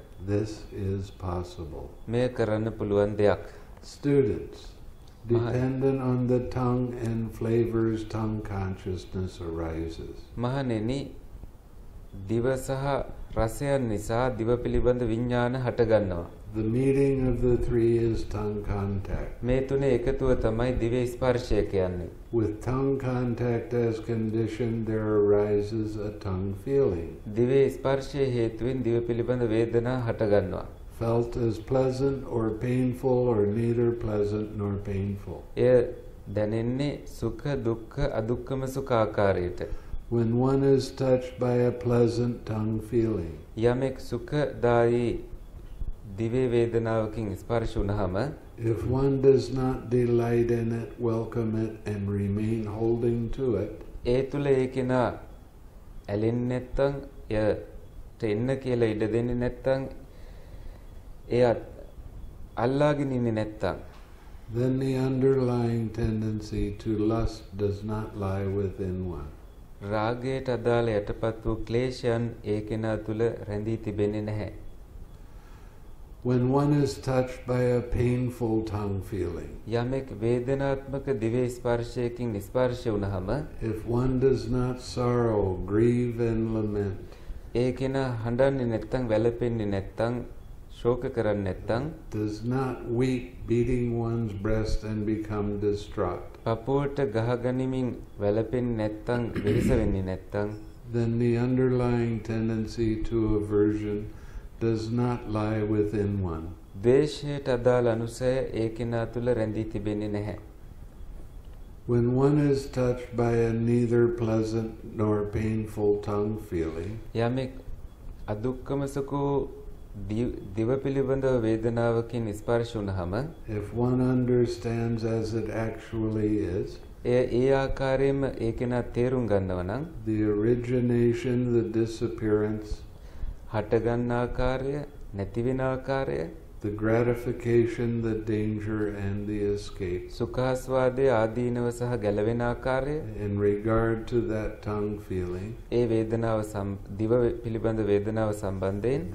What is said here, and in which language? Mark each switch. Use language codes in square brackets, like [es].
[en] This is possible. [si] මේ කරන්න පුළුවන් දෙයක්. [en] Students dependent on the tongue and flavors tongue consciousness arises. [si] මහණෙනි දිව සහ රසයන් නිසා දිව පිළිබඳ විඥාන හට ගන්නවා. [en] The meaning of the three is tongue contact. [si] මේ තුනේ එකතුව තමයි දිව ස්පර්ශය කියන්නේ. [en] With tongue contact as condition there arises a tongue feeling. [si] දිව ස්පර්ශය හේතුවෙන් දිව පිළිබඳ වේදනා හට ගන්නවා. [en] Felt as pleasant or painful or neither pleasant nor painful. [si] එය දැනෙන්නේ සුඛ දුක්ඛ අදුක්ඛම සුඛ ආකාරයට. [en] When one is touched by a pleasant tongue feeling, [si] යමෙක් සුඛදායි දිවේ වේදනාවකින් ස්පර්ශ වුනහම, [en] if one does not delight in it, welcome it, and remain holding to it, [si] ඒ තුල ඒකේන ඇලෙන්නේ නැත්නම් එය තෙන්න කියලා ඉඩ දෙන්නේ නැත්නම් එය අල්ලාගෙන ඉන්නේ නැත්නම් [en] then the underlying tendency to lust does not lie within one. [si] රාගයට අදාළ යටපත් වූ ක්ලේශයන් ඒකෙනා තුල රැඳී තිබෙන්නේ නැහැ. [en] When one is touched by a painful tongue feeling. [si] යමෙක් වේදනාත්මක දිව ස්පර්ශයකින් ස්පර්ශ වුනහම [en] If one does not sorrow, grieve and lament. [si] ඒකෙනා හඬන්නේ නැත්නම් වැළපෙන්නේ නැත්නම් ශෝක කරන්නේ නැත්නම් [en] Does not weep, beating one's breast and become distraught. [si] පපුවට ගහගනිමින් වැළපෙන්නේ නැත්නම් වෙහෙස වෙන්නේ නැත්නම් [en] then the underlying tendency to aversion does not lie within one. [si] දේශයට අදාළ අනුසය ඒකිනා තුල රැඳී තිබෙන්නේ නැහැ. [en] When one is touched by a neither pleasant nor painful tongue feeling. [si] යමෙක් අදුක්කම සුඛ දිව පිළිබඳ වේදනාවකින් ස්පර්ශ වුනහම [en] if one understands as it actually is [si] ඒ ආකාරයෙන්ම ඒකena තේරුම් ගන්නවා නම් [en] the origination the disappearance [si] හට ගන්න ආකාරය නැති වෙන ආකාරය [en] the gratification the danger and the escape [si] සුඛාස්වාදයේ ආදීනව සහ ගැලවෙන ආකාරය [en] in regard to that tongue feeling [si] ඒ වේදනාව දිව පිළිබඳ වේදනාව සම්බන්ධයෙන්